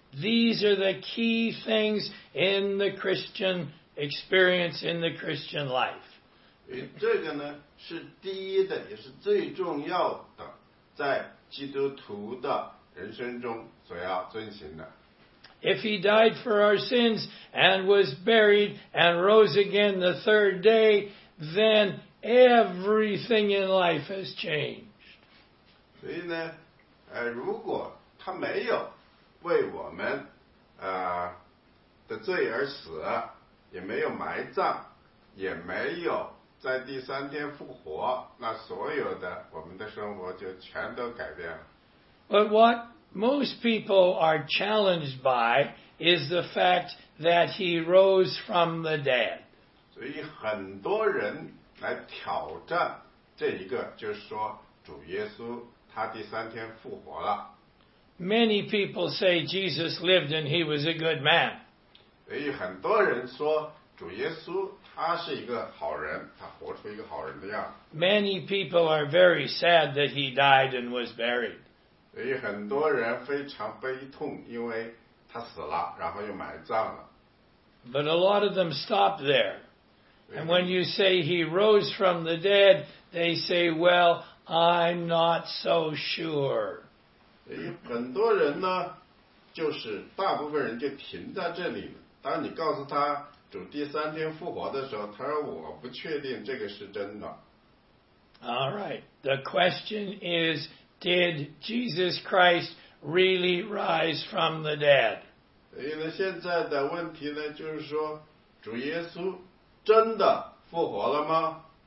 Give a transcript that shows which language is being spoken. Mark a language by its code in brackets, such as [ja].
[en] These are the key things in the Christian experience, in the Christian life. [zh] 这个呢是第一的，也是最重要的，在基督徒的人生中所要遵循的。 [en] If he died for our sins and was buried and rose again the third day, then everything in life has changed. [zh] 所以呢，如果他没有为我们的罪而死，也没有埋葬，也没有在第三天复活，那所有的我们的生活就全都改变了。 [en] But what most people are challenged by is the fact that he rose from the dead. [zh] 所以很多人来挑战这一个，就是说主耶稣他第三天复活了。 [en] Many people say Jesus lived and he was a good man. [zh] 所以很多人说主耶稣他是一个好人，他活出一个好人的样子。 [en] Many people are very sad that he died and was buried. [zh] 所以很多人非常悲痛，因为他死了，然后又埋葬了。 [en] But a lot of them stop there. And when you say he rose from the dead, they say, well, I'm not so sure. [zh] 很多人呢，就是大部分人就停在这里了。当你告诉他主第三天复活的时候，他说我不确定这个是真的。 [en] All right, the question is, did Jesus Christ really rise from the dead? [zh] 所以呢，现在的问题呢，就是说主耶稣真的复活了吗？